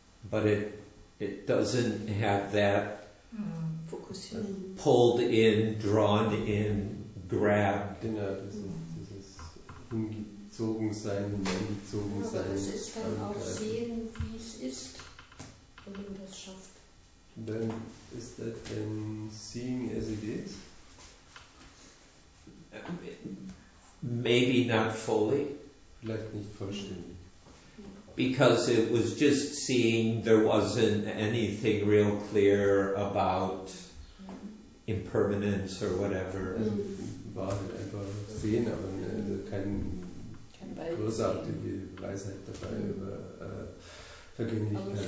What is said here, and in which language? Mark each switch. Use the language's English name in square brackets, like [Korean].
[English] but it doesn't have that pulled in, drawn in, grabbed. [German] Genau, dieses hingezogen sein, hingezogen sein. Aber es ist dann auch sehen, wie es ist, wenn man das schafft. [English] Then is that then seeing as it is? Maybe not fully. [German] Vielleicht nicht vollständig. [English] Because it was just seeing, there wasn't anything real clear about impermanence or whatever. [German] War einfach sehen, aber keine großartige Weisheit dabei über Vergänglichkeit.